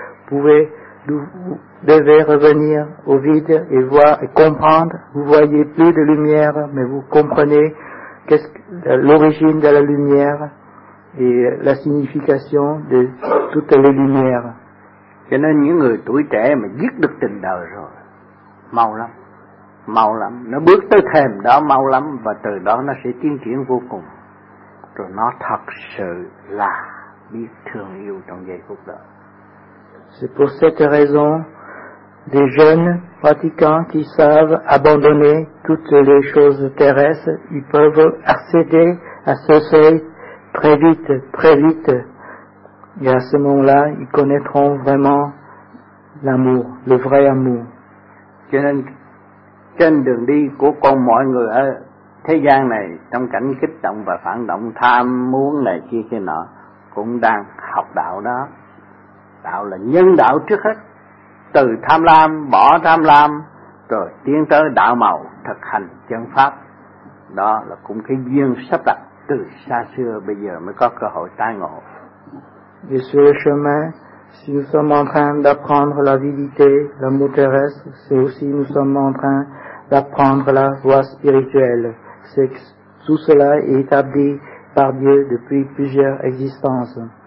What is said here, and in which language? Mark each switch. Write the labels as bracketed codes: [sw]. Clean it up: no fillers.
[fr] Vous devez revenir au vide et voir et comprendre. Vous voyez plus de lumière, mais vous comprenez l'origine de la lumière et la signification de toutes les lumières. [vi] Cho nên những người tuổi trẻ mà giết được tình đời rồi, mau lắm, nó bước tới thềm đó mau lắm, và từ đó nó sẽ tiến triển vô cùng, rồi nó thật sự là biết thương yêu trong giây phút đó. [fr] C'est pour cette raison des jeunes pratiquants qui savent abandonner toutes les choses terrestres, ils peuvent accéder à ce seuil très vite, très vite. Et à ce moment-là, ils connaîtront vraiment l'amour, le vrai amour. [vi] Cho nên, trên đường đi của con mọi người ở thế gian này, trong cảnh kích động và phản động, tham muốn này kia kia nọ, cũng đang học đạo đó. Đạo là nhân đạo trước hết. Từ tham lam, bỏ tham lam, rồi tiến tới đạo màu, thực hành chân pháp. Đó là cũng cái duyên sắp đặt từ xa xưa, bây giờ mới có cơ hội tái ngộ. [fr] Et sur le chemin, si nous sommes en train d'apprendre l'avidité, l'amour terrestre, c'est aussi nous sommes en train d'apprendre la voie spirituelle. C'est que tout cela est établi par Dieu depuis plusieurs existences.